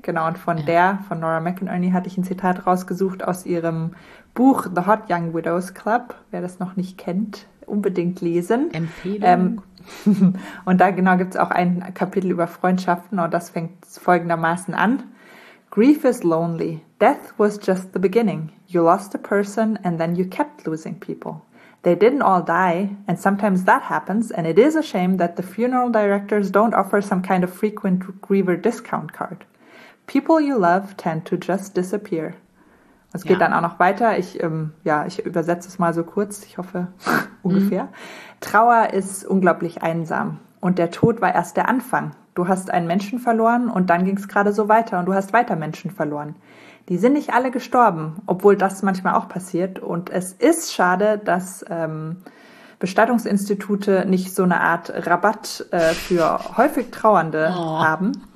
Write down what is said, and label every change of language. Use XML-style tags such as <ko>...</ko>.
<de>Genau, und von Nora McInerney hatte ich ein Zitat rausgesucht aus ihrem Buch The Hot Young Widows Club. Wer das noch nicht kennt, unbedingt lesen. Empfehlung. Und da genau gibt es auch ein Kapitel über Freundschaften und das fängt folgendermaßen an.</de> <en>Grief is lonely. Death was just the beginning. You lost a person and then you kept losing people. They didn't all die, and sometimes that happens, and it is a shame that the funeral directors don't offer some kind of frequent griever discount card. People you love tend to just disappear.</en> <de>Es geht dann auch noch weiter. Ich übersetze es mal so kurz. Ich hoffe, ungefähr. Trauer ist unglaublich einsam. Und der Tod war erst der Anfang. Du hast einen Menschen verloren und dann ging es gerade so weiter und du hast weiter Menschen verloren. Die sind nicht alle gestorben, obwohl das manchmal auch passiert. Und es ist schade, dass Bestattungsinstitute nicht so eine Art Rabatt für häufig Trauernde haben.</de>